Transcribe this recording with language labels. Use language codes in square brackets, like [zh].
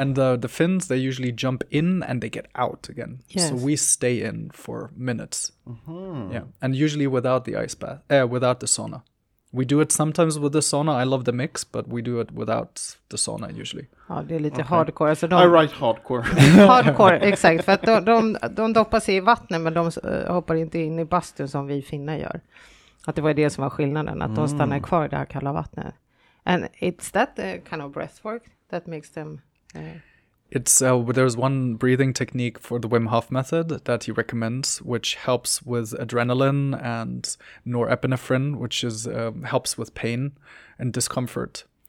[en] And the Finns, they usually jump in and they get out again. Yes. So we stay in for minutes. Mm-hmm. Yeah, and usually without the ice bath, without the sauna. We do it sometimes with the sauna. I love the mix, but we do it without the sauna usually. [sv] Ja, det är lite hardcore. Alltså [en] I write hardcore. [sv] Hardcore, exakt. För att de doppar sig i vattnet, men de hoppar inte in i bastun som vi finnar gör. Att det var det som var skillnaden, att de stannar kvar i det här kalla vattnet. [en] And it's that kind of breathwork that makes them... There's one breathing technique for the Wim Hof method that he recommends, which helps with adrenaline and norepinephrine, which is helps with pain and discomfort.